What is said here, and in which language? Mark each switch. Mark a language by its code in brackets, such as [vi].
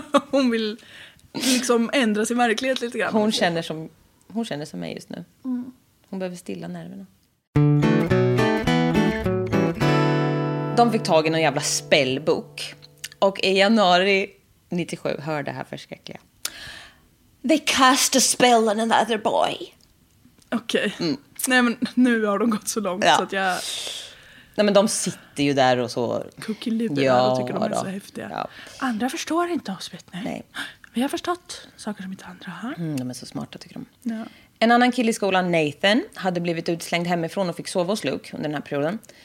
[sv] Hon vill liksom ändra sin verklighet lite grann. Hon känner som mig just nu. Hon behöver stilla nerverna. De fick tag i någon jävla spellbok. Och i januari 97, hör det här förskräckliga. [en] They cast a spell on another boy. [sv] Okej. Nej men nu har de gått så långt så att jag... Nej men de sitter ju där och så... Cookie-libben tycker de är då. Så häftiga. Ja. Andra förstår inte oss, vet ni. Nej. Vi har förstått saker som inte andra har. De är så smarta tycker de. Ja. En annan kille i skolan, Nathan, hade blivit utslängd hemifrån och fick sova hos Luke under den här perioden.